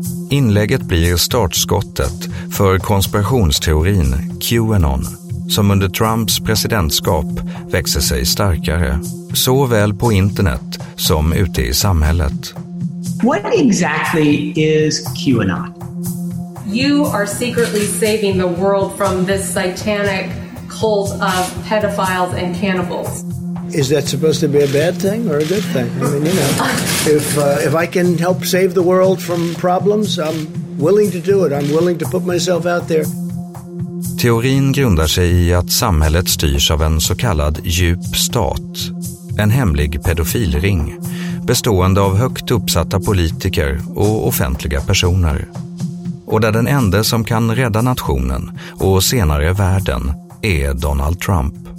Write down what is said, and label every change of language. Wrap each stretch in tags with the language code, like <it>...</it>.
<sv>Inlägget blir startskottet för konspirationsteorin QAnon, som under Trumps presidentskap växer sig starkare, såväl på internet som ute i samhället.</sv> <en>What exactly is QAnon? You are secretly saving the world from this satanic cult of pedophiles and cannibals. Is that supposed to be a bad thing or a good thing? I mean, you know, if I can help save the world from problems, I'm willing to do it. I'm willing to put myself out there.</en> <sv>Teorin grundar sig i att samhället styrs av en så kallad djup stat, en hemlig pedofilring bestående av högt uppsatta politiker och offentliga personer. Och där den enda som kan rädda nationen och senare världen är Donald Trump.</sv>